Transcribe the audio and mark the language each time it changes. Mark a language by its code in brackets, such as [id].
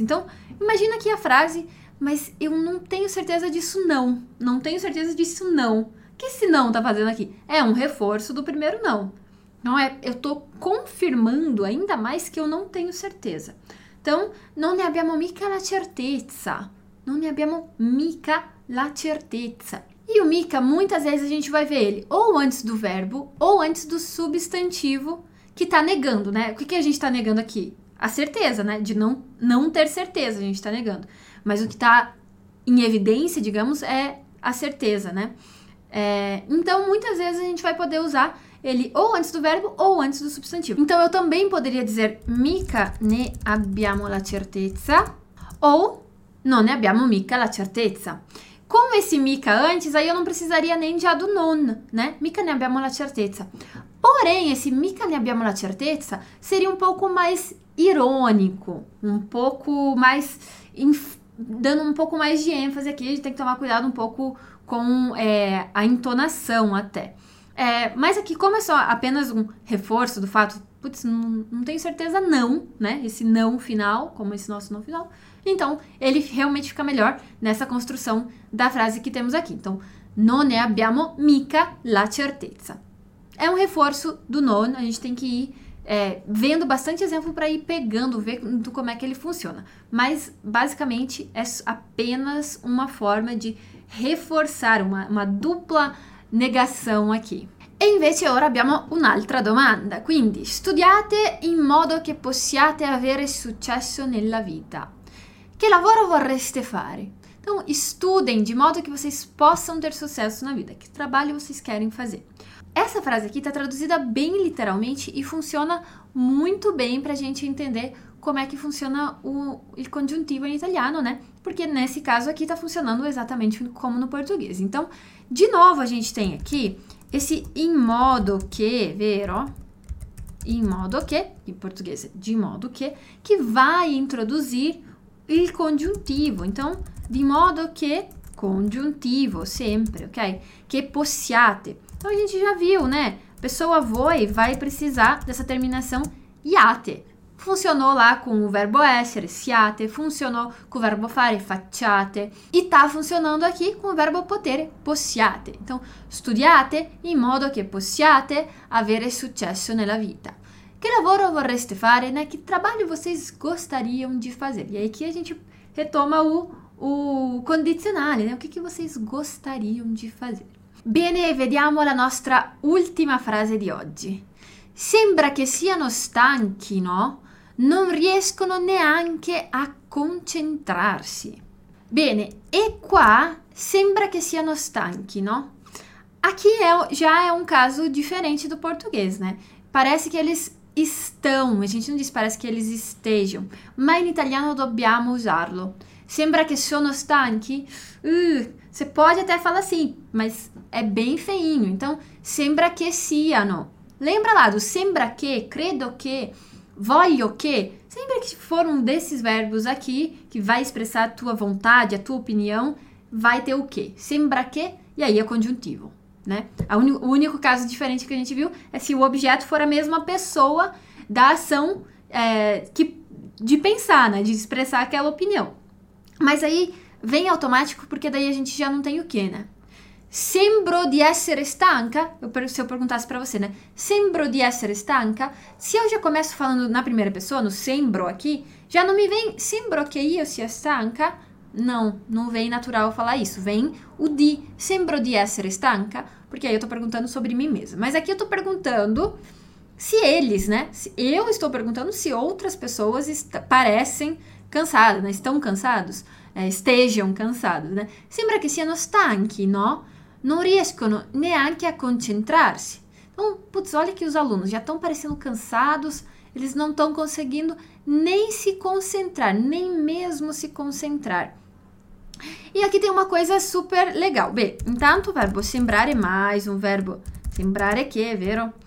[pt] Então, imagina aqui a frase, mas eu não tenho certeza disso não. Não tenho certeza disso não. Que esse não tá fazendo aqui? É um reforço do primeiro não. Não é, eu tô confirmando ainda mais que eu não tenho certeza. [it] Então, non ne abbiamo mica la certezza. Non ne abbiamo mica la certezza. [pt] E o mica, muitas vezes a gente vai ver ele ou antes do verbo ou antes do substantivo que tá negando, né? O que que a gente tá negando aqui? A certeza, né? De não ter certeza, a gente tá negando. Mas o que tá em evidência, digamos, é a certeza, né? Então, muitas vezes a gente vai poder usar ele ou antes do verbo ou antes do substantivo. Então, eu também poderia dizer [it] mica ne abbiamo la certezza ou non ne abbiamo mica la certezza. [pt] Com esse mica antes, aí eu não precisaria nem de a do non, né? [it] Mica ne abbiamo la certezza. [pt] Porém, esse [it] mica ne abbiamo la certezza [pt] seria um pouco mais irônico, um pouco mais, dando um pouco mais de ênfase aqui, a gente tem que tomar cuidado um pouco com a entonação até. Mas aqui, como é só apenas um reforço do fato, putz, não tenho certeza não, né? Esse não final, como esse nosso não final. Então, ele realmente fica melhor nessa construção da frase que temos aqui. [it] Então, non ne abbiamo mica la certezza. [pt] É um reforço do non, a gente tem que ir vendo bastante exemplo para ir pegando, vendo como é que ele funciona. Mas, basicamente, é apenas uma forma de reforçar uma dupla negação aqui. [it] E invece ora abbiamo un'altra domanda. Quindi, studiate in modo che possiate avere successo nella vita. Che lavoro vorreste fare? [pt] Então, estudem de modo que vocês possam ter sucesso na vida. Que trabalho vocês querem fazer? Essa frase aqui está traduzida bem literalmente e funciona muito bem para a gente entender como é que funciona o conjuntivo em italiano, né? Porque nesse caso aqui está funcionando exatamente como no português. Então, de novo, a gente tem aqui esse [it] in modo che, vero? In modo che, [pt] em português, de modo que vai introduzir [it] il congiuntivo. [pt] Então, [it] di modo che, [pt] congiuntivo, sempre, ok? [it] Che possiate. [pt] Então, a gente já viu, né? Pessoa voi vai precisar dessa terminação iate. Funcionou lá com o verbo essere, siate, funcionou com o verbo fare, facciate, e tá funcionando aqui com o verbo potere, possiate. [it] Então, studiate in modo che possiate avere successo nella vita. Che lavoro vorreste fare, né? [pt] Che trabalho vocês gostariam de fazer? E aí que a gente retoma o condizionale, né? O que vocês gostariam de fazer? [it] Bene, vediamo la nostra ultima frase di oggi. Sembra che siano stanchi, no? Non riescono neanche a concentrarsi. Bene, e qua sembra che siano stanchi, no? [pt] Aqui já [it] è un caso differente [pt] do português, né? Parece che eles estão, a gente não diz parece que eles estejam, mas em italiano [it] dobbiamo usarlo. Sembra che sono stanchi? [pt] Você pode até falar assim, mas é bem feinho. [it] Então, sembra che siano. [pt] Lembra lá do [it] sembra che, credo che, voglio che? [pt] Sempre que for um desses verbos aqui, que vai expressar a tua vontade, a tua opinião, vai ter o que? [it] Sembra che, [pt] e aí é conjuntivo. Né? O único caso diferente que a gente viu é se o objeto for a mesma pessoa da ação que de pensar, né? De expressar aquela opinião. Mas aí vem automático porque daí a gente já não tem o quê, né? [it] Sembro di essere stanca? [pt] Se eu perguntasse para você, né? [it] Sembro di essere stanca? [pt] Se eu já começo falando na primeira pessoa, no sembro aqui, já não me vem [it] sembro che io sia stanca? [pt] Não vem natural falar isso. Vem o di. Sembro di essere stanca? Porque aí eu tô perguntando sobre mim mesma. Mas aqui eu tô perguntando se eles, né? Eu estou perguntando se outras pessoas parecem cansadas, né? Estão cansados? Estejam cansados, né? [it] Sembra che siano stanchi, no? Non riescono neanche a concentrarsi. [pt] Então, putz, olha que os alunos já estão parecendo cansados, eles não estão conseguindo nem se concentrar, nem mesmo se concentrar. E aqui tem uma coisa super legal. Bem, intanto o verbo sembrare mais um verbo [it] sembrare che, vero?